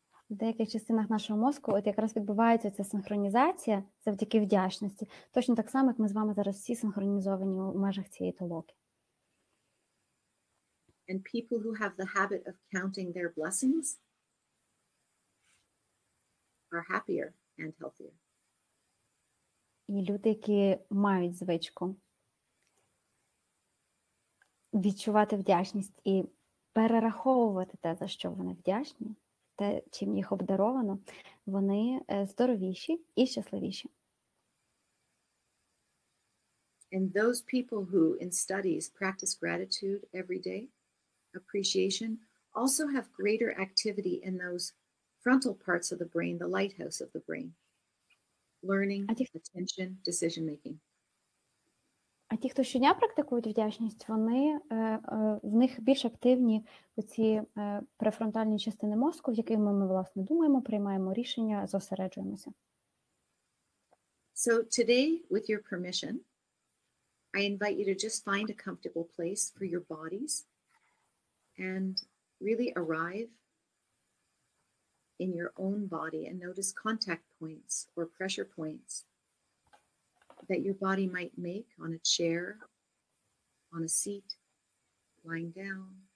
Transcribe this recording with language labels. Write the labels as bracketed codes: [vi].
[uk] В деяких частинах нашого мозку от якраз відбувається ця синхронізація завдяки вдячності. Точно так само, як ми з вами зараз всі синхронізовані у межах цієї Талоки. [en] And people who have the habit of counting their blessings are happier. And healthier. [uk] І люди, які мають звичку відчувати вдячність і перераховувати те, за що вони вдячні, те, чим їх обдаровано, вони здоровіші і щасливіші. [en] And those people who in studies practice gratitude every day, appreciation, also have greater activity in those frontal parts of the brain, the lighthouse of the brain. Learning, attention, decision making. [uk] А ті, хто щодня практикують вдячність, вони в них більш активні оці префронтальні частини мозку, в яких ми власне думаємо, приймаємо рішення, зосереджуємося. [en] So today, with your permission, I invite you to just find a comfortable place for your bodies and really arrive in your own body and notice contact points or pressure points that your body might make on a chair, on a seat, lying down.